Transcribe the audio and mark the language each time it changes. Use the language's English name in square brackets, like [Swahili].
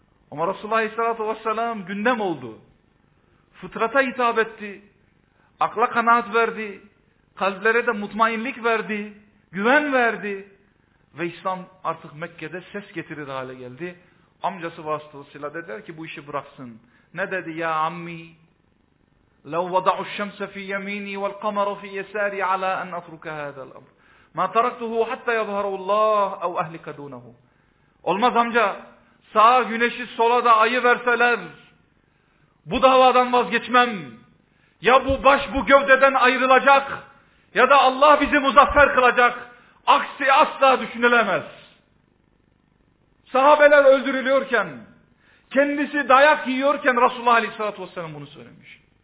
[Turkish] Ama Resulullah Aleyhisselatü Vesselam gündem oldu. Fıtrata hitap etti. Akla kanaat verdi. Kalplere de mutmainlik verdi. Güven verdi. Ve İslam artık Mekke'de ses getirir hale geldi. Amcası vasıtasıyla dediler ki bu işi bıraksın. Ne dedi ya ammi? [Arabic] لَوْ وَضَعُ الشَّمْسَ فِي يَم۪ينِي وَالْقَمَرَ فِي يَسَارِ عَلَىٰ أَنْ أَفْرُكَ هَذَا الْأَمْرِ مَا تَرَكْتُهُ حَتَّى يَظْهَرُوا اللّٰهُ اَوْ اَهْلِكَ دُونَهُ [Turkish] Olmaz amca. Sağa güneşi sola da ayı verseler bu davadan vazgeçmem. Ya bu baş bu gövdeden ayrılacak ya da Allah bizi muzaffer kılacak. Aksi asla düşünülemez. Sahabeler öldürülüyorken, kendisi dayak yiyorken Resulullah Aleyhisselatü Vesselam bunu söylemiş.